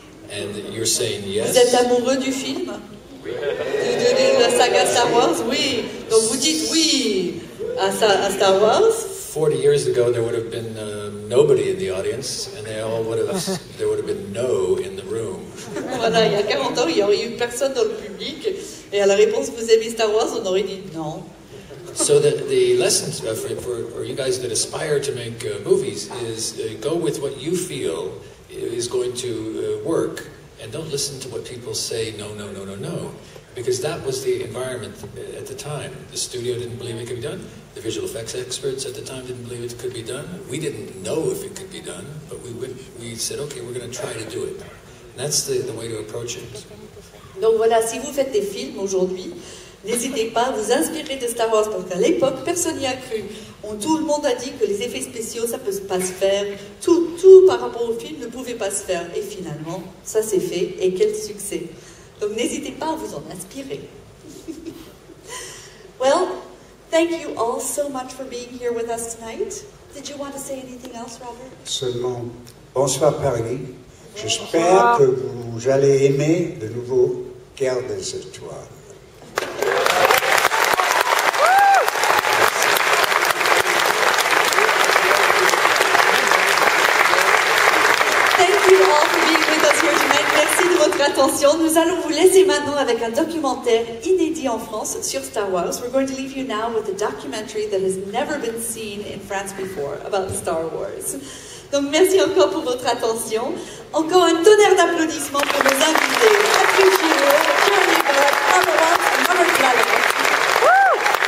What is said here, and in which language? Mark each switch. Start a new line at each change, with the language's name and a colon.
English: And you're saying yes.
French: Vous êtes amoureux du film? De la saga Star Wars? Oui. Donc vous dites oui à Star Wars?
English: 40 years ago, there would have been nobody in the audience, and they all would have, there would have been no in the room.
French: Voilà, il y a 40 ans, il n'y aurait eu personne dans le public, et à la réponse, vous aimez Star Wars, on aurait dit non.
English: So the lessons for you guys that aspire to make movies is go with what you feel is going to work, and don't listen to what people say, no, no, no, no, no. Because that was the environment at the time. The studio didn't believe it could be done. The visual effects experts at the time didn't believe it could be done. We didn't know if it could be done, but we said, okay, we're going to try to do it. And that's the way to approach it.
French: Donc voilà, si vous faites des films aujourd'hui, n'hésitez pas à vous inspirer de Star Wars, parce qu'à l'époque, personne n'y a cru. Tout le monde a dit que les effets spéciaux, ça ne peut pas se faire. Tout par rapport au film ne pouvait pas se faire. Et finalement, ça s'est fait, et quel succès. Donc n'hésitez pas à vous en inspirer.
English: Well, thank you all so much for being here with us tonight. Did you want to say anything else, Robert?
French: Seulement, bonsoir Paris. J'espère que vous allez aimer le nouveau Guerre des Étoiles.
English: Thank you all for being with us here tonight.
French: Merci de votre attention. Nous allons vous laisser maintenant avec un documentaire inédit en France sur Star Wars.
English: We're going to leave you now with a documentary that has never been seen in France before about Star Wars.
French: Donc merci encore pour votre attention. Encore un tonnerre d'applaudissements pour nos invités. Patrick Giraud, Charlie Burke, Barbara, and Robert Flanagan. Woo!